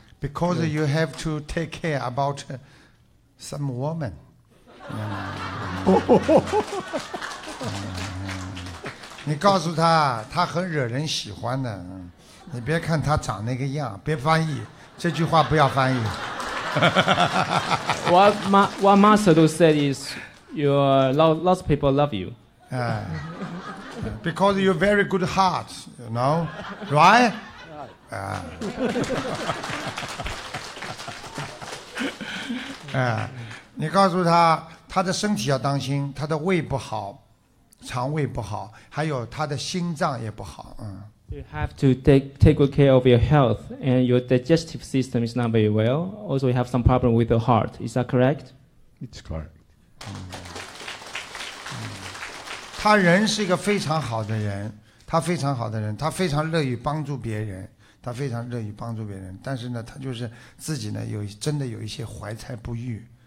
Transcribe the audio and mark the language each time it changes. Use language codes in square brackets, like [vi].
[en] Because you have to take care about some woman. [zh] 你告诉他，他很惹人喜欢的。你别看他长那个样，别翻译这句话，不要翻译。 [en] What Master Lu said is, lots of people love you. Because you're very good heart, you know, right? [zh] 你告诉他，他的身体要当心，他的胃不好。肠胃不好，还有他的心脏也不好。 [en] You have to take good care of your health, and your digestive system is not very well. Also, you have some problem with the heart. Is that correct? It's correct. [zh] 他人是一个非常好的人，他非常好的人，他非常乐于帮助别人，他非常乐于帮助别人。但是呢，他就是自己呢，有真的有一些怀才不遇。